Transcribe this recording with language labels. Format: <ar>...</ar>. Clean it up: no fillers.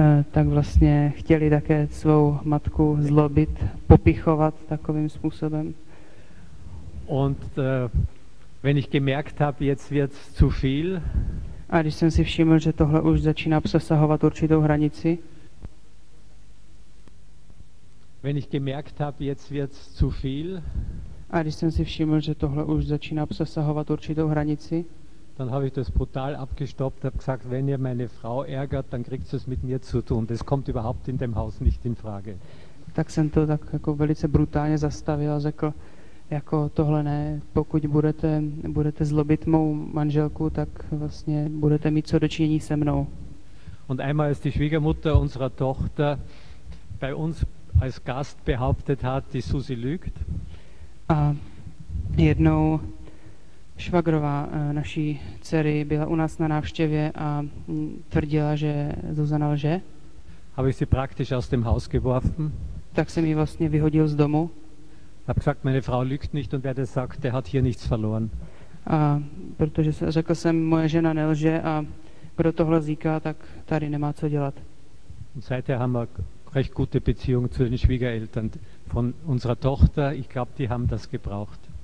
<cs>Tak vlastně chtěli také svou matku zlobit, popichovat takovým způsobem.</cs> <de>Und wenn ich gemerkt habe, jetzt wird's zu viel.</de> <cs>A když jsem si všiml, že tohle už začíná přesahovat určitou hranici.</cs> <de>Wenn ich gemerkt habe, jetzt wird's zu viel.</de> <cs>A když jsem si všiml, že tohle už začíná přesahovat určitou hranici.</cs> <de>Dann habe ich das brutal abgestoppt, habe gesagt, wenn ihr meine Frau ärgert, dann kriegt ihr es mit mir zu tun. Das kommt überhaupt in dem Haus nicht in Frage.</de> <cs>Tak jsem to tak jako velice brutálně zastavil a řekl, jako tohle ne, pokud budete zlobit mou manželku, tak vlastně budete mít co dočinění se mnou.</cs> <de>Und einmal ist die Schwiegermutter unserer Tochter bei uns als Gast behauptet hat, die Susi lügt.</de> <cs>A jednou švagrová naší dcery byla u nás na návštěvě a tvrdila, že Zuzana lže.</cs> <de>Habe ich sie praktisch aus dem Haus geworfen.</de> <cs>Tak jsem ji vlastně vyhodil z domu.</cs> <de>Hab gesagt, meine Frau lügt nicht und wer das sagt, der hat hier nichts verloren.</de> <cs>A protože řekl jsem, moje žena nelže a kdo tohle říká, tak tady nemá co dělat.</cs> <de>Und seither haben wir recht gute Beziehung zu den Schwiegereltern von unserer Tochter. Ich glaube, die haben das gebraucht.</de>